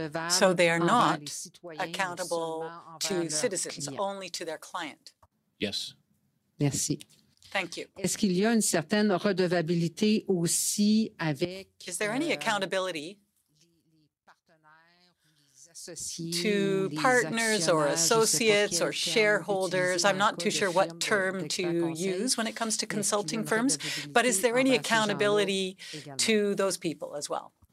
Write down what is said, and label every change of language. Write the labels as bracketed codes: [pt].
[en] So they are not accountable to citizens, only to their client. Yes. [fr] Merci. [en] Thank you. [fr] Est-ce qu'il y a une certaine redevabilité aussi avec, [en] is there any accountability to partners or associates or shareholders? I'm not too sure what term to use when it comes to consulting firms, but is there any accountability to those people as well?